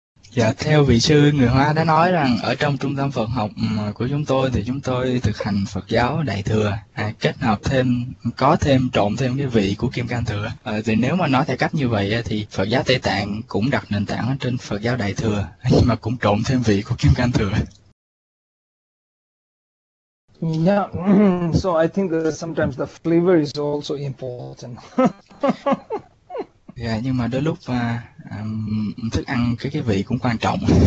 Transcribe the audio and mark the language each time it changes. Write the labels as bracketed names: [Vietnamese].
[Vietnamese] Dạ, theo vị sư người Hoa đã nói rằng ở trong trung tâm Phật học của chúng tôi thì chúng tôi thực hành Phật giáo Đại Thừa, kết hợp thêm, có thêm, trộn thêm cái vị của Kim Cang Thừa. Thì nếu mà nói theo cách như vậy thì Phật giáo Tây Tạng cũng đặt nền tảng trên Phật giáo Đại Thừa, nhưng mà cũng trộn thêm vị của Kim Cang Thừa. [English] So I think that sometimes the flavor is also important. [Vietnamese] Dạ, nhưng mà đôi lúc mà thức ăn cái vị cũng quan trọng.